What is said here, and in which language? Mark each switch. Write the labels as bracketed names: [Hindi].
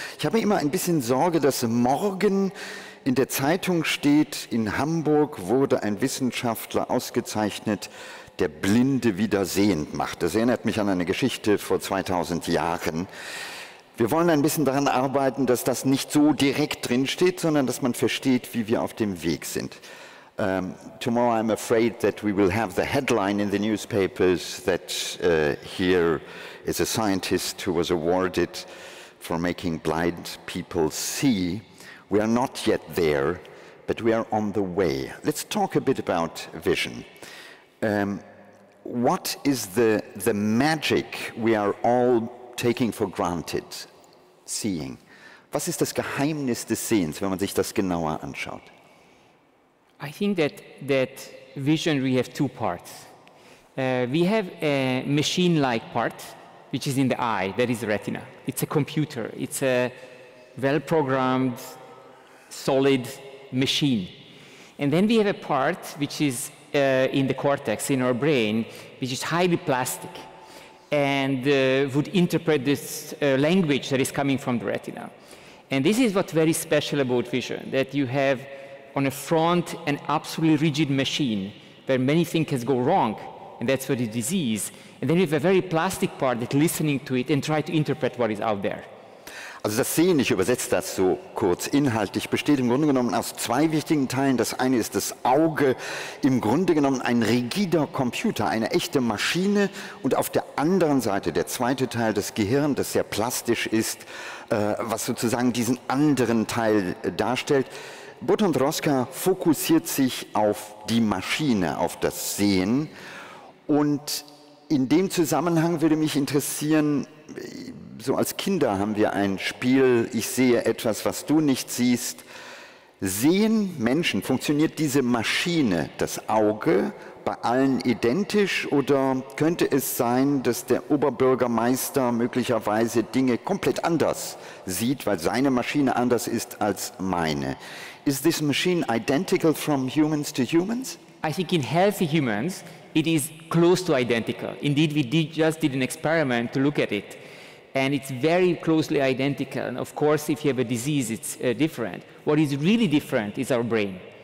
[German] Ich habe immer ein bisschen Sorge, dass morgen in der Zeitung steht, in Hamburg wurde ein Wissenschaftler ausgezeichnet, der Blinde wieder sehend macht. Das erinnert mich an eine Geschichte vor 2000 Jahren. Wir wollen ein bisschen daran arbeiten, dass das nicht so direkt drinsteht, sondern dass man versteht, wie wir auf dem Weg sind. [English] Tomorrow I'm afraid that we will have the headline in the newspapers that here is a scientist who was awarded for making blind people see. We are not yet there, but we are on the way. Let's talk a bit about vision. What is the magic we are all taking for granted, seeing? [German] Was ist das Geheimnis des Sehens, wenn man sich das genauer anschaut? [English] I think that vision, we have two parts. We have a machine-like part, which is in the eye, that is retina. It's a computer. It's a well-programmed, solid machine. And then we have a part which is in the cortex, in our brain, which is highly plastic and would interpret this language that is coming from the retina. And this is what's very special about vision, that you have on a front an absolutely rigid machine where many things can go wrong, and that's for the disease. And then you have a very plastic part that listening to it and try to interpret what is out there. [German] Also das Sehen, ich übersetze das so kurz inhaltlich, besteht im Grunde genommen aus zwei wichtigen Teilen. Das eine ist das Auge, im Grunde genommen ein rigider Computer, eine echte Maschine. Und auf der anderen Seite, der zweite Teil, das Gehirn, das sehr plastisch ist, was sozusagen diesen anderen Teil darstellt. Bertrand Roska fokussiert sich auf die Maschine, auf das Sehen. Und in dem Zusammenhang würde mich interessieren, so als Kinder haben wir ein Spiel, ich sehe etwas, was du nicht siehst. Sehen Menschen, funktioniert diese Maschine, das Auge, bei allen identisch? Oder könnte es sein, dass der Oberbürgermeister möglicherweise Dinge komplett anders sieht, weil seine Maschine anders ist als meine? [English] Is this machine identical from humans to humans? I think in healthy humans, it is close to identical. Indeed, we just did an experiment to look at it. And it's very closely identical. And of course, if you have a disease, it's different. What is really different is our brain.